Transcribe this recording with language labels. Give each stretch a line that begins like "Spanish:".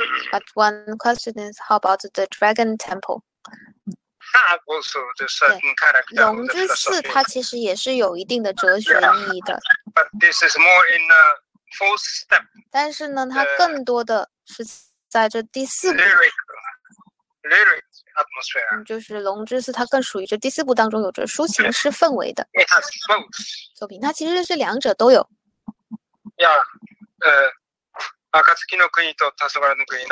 English: But one question is, how about the dragon temple? Also, the certain character.
Chinese: 龙之寺它其实也是有一定的哲学意义的。
English: But this is more in a fourth step.
Chinese: 但是呢，它更多的是在这第四步
English: lyric atmosphere，
Chinese: 就是龙之寺，它更属于这第四步当中有着抒情式氛围的
English: It has both.
Chinese: 作品。它其实是两者都有。
English: Yeah, Akatsuki no Kuni to Tasogara no Kuni.